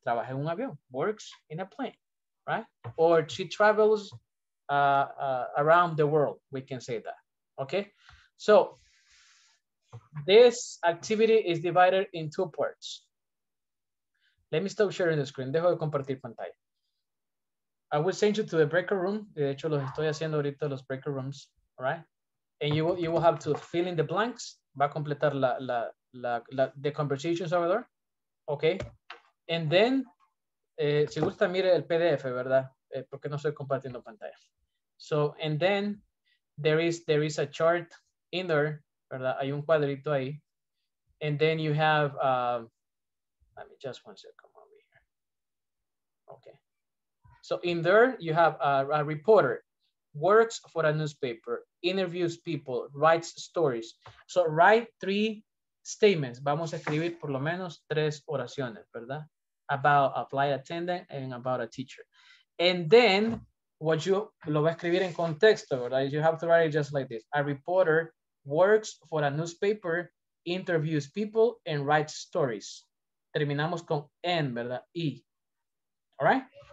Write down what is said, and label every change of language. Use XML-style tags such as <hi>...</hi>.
<es>Trabaja en un avión,</es> <en>works in a plane, right? Or she travels around the world. We can say that, okay? So this activity is divided in two parts. Let me stop sharing the screen.</en> <es>Dejo de compartir pantalla.</es> <en>I will send you to the breakout room.</en> <es>De hecho, los estoy haciendo ahorita los breakout rooms.</es> <en>All right? And you will have to fill in the blanks.</en> <es>Va a completar</es> <en>the conversations over there. Okay? And then,</en> <es>si gusta, mire el PDF, ¿verdad? Porque no estoy compartiendo pantalla.</es> <en>So, and then, there is a chart in there. ¿Verdad?</en> <es>Hay un cuadrito ahí.</es> <en>And then you have, let me just one second, come over here. Okay. So in there, you have a reporter, works for a newspaper, interviews people, writes stories. So write three statements.</en> <es>Vamos a escribir por lo menos tres oraciones, ¿verdad?</es> <en>About a flight attendant and about a teacher. And then what you,</en> <es>lo va a escribir en contexto, ¿verdad?</es> <en>You have to write it just like this. A reporter works for a newspaper, interviews people, and writes stories.</en> <es>Terminamos con N, ¿verdad? E.</es> <en>All right?</en>